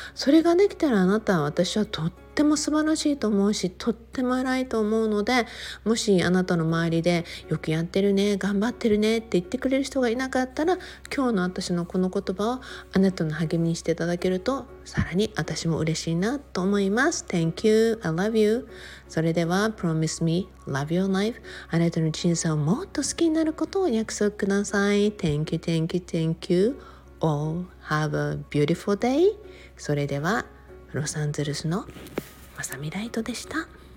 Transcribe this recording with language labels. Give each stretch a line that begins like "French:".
Japanese: それができたらあなたは私はとっても素晴らしいと思うし、とっても偉いと思うので、もしあなたの周りでよくやってるね、頑張ってるねって言ってくれる人がいなかったら、今日の私のこの言葉をあなたの励みにしていただけると、さらに私も嬉しいなと思います。
English: Thank you, I love you. それでは Promise me, love your life.
Japanese: あなたの人生をもっと好きになることを約束ください。
English: Thank you, thank you, thank you all. Have a beautiful day.
Japanese: それではロサンゼルスのマサミライトでした。